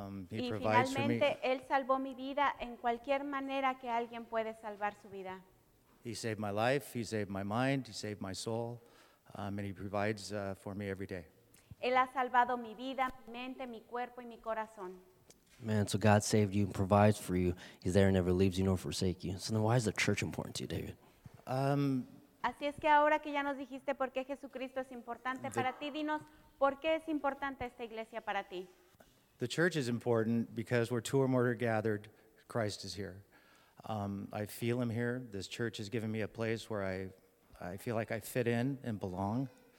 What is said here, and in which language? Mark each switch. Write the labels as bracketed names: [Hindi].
[Spanish] Finalmente, Él salvó mi vida en cualquier manera que alguien puede salvar su vida. [English] He saved my life. He saved my mind. He saved my soul. And he provides for me every day. [Spanish] Él ha salvado mi vida, mi mente, mi cuerpo y mi corazón. [English] Man, so God saved you and provides for you. He's there and never leaves you nor forsake you. So then why is the church important to you, David? [Spanish] Así es que ahora que ya nos dijiste por qué Jesucristo es importante para ti, dinos por qué es importante esta iglesia para ti. [English] The church is important because where two or more are gathered, Christ is here. I feel him here. This church has given me a place where I feel like I fit in and belong.